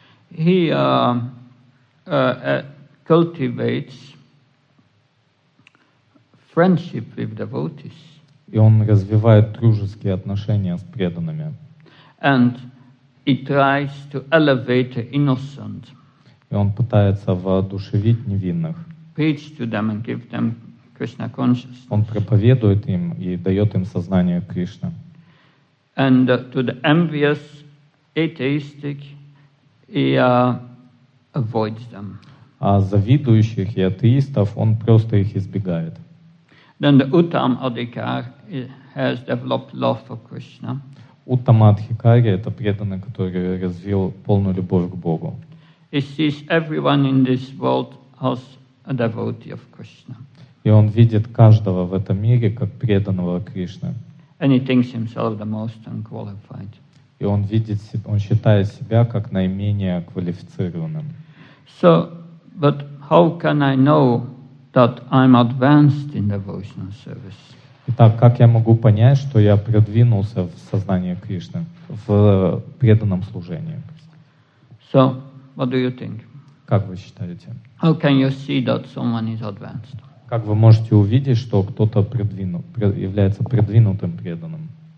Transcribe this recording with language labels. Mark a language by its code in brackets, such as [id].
[en] He cultivates friendship with devotees. [ru] И он развивает дружеские отношения с преданными. [en] And he tries to elevate the innocent. [ru] И он пытается воодушевить невинных. [en] Preach to them and give them Krishna consciousness. [ru] Он проповедует им и дает им сознание Кришны. [en] And to the envious atheistic, he avoids them. [ru] А завидующих и атеистов он просто их избегает. [en] Then the Uttam Adhikar has developed love for Krishna. [ru] Uttama Adhikari — это преданный, который развил полную любовь к Богу. [en] He sees everyone in this world as a devotee of Krishna. [ru] И он видит каждого в этом мире как преданного Кришны. [en] And he thinks himself the most unqualified. [ru] И он видит, он считает себя как наименее квалифицированным. [en] So, but how can I know that I'm advanced in devotional service? [ru] Итак, как я могу понять, что я продвинулся в сознании Кришны, в преданном служении? [en] So, what do you think? [ru] Как вы считаете? [en] How can you see that someone is advanced? [ru] Как вы можете увидеть, что кто-то является продвинутым преданным?